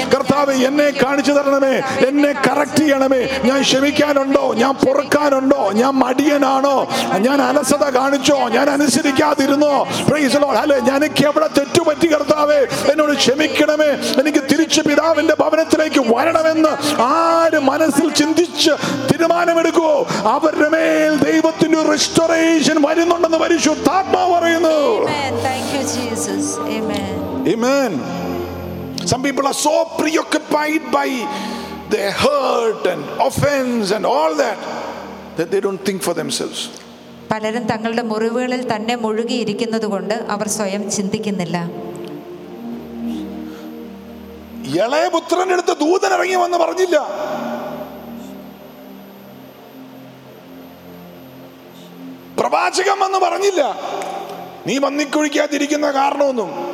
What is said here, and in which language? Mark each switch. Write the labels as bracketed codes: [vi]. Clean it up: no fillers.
[ml] കർത്താവ് എന്നെ കാണിച്ചു തരണമേ, എന്നെ കറക്റ്റ് ചെയ്യണമേ, ഞാൻ ക്ഷമിക്കാനുണ്ടോ, ഞാൻ പൊറുക്കാനുണ്ടോ, ഞാൻ മടിയനാണോ, ഞാൻ അലസത കാണിച്ചു ഞാൻ അനുസരിക്കാതിരുന്നോ, [en] praise lord, [ml] അല്ലേ, ഞാൻ എവിടെ തെറ്റുപറ്റി കർത്താവേ എന്നോട് ക്ഷമിക്കണമേ, എനിക്ക് തിരിച്ച് പിതാവിന്റെ ഭവനത്തിലേക്ക് വരണമെന്ന് ആര് മനസ്സിൽ ചിന്തിച്ച് തീരുമാനമെടുക്കുവോ അവരുടെ മേൽ ദൈവത്തിന്റെ റിസ്റ്റോറേഷൻ വരുന്നുണ്ടെന്ന് പരിശുദ്ധാത്മാവ് പറയുന്നു. ആമേൻ. [en] Some people are so preoccupied by their hurt and offense and all that they don't think for themselves. [ml] പലരും തങ്ങളുടെ മുറിവുകളിൽ തന്നെ മുഴുകിയിരിക്കുന്നത് കൊണ്ട് അവർ സ്വയം ചിന്തിക്കുന്നില്ല. ഇളയപുത്രന്റെ അടുത്ത് ദൂതൻ ഇറങ്ങി വന്ന് പറഞ്ഞില്ല, പ്രവാചകൻ വന്ന് പറഞ്ഞില്ല, നീ വന്നിക്കുഴിക്കാതിരിക്കുന്ന കാരണമൊന്നും.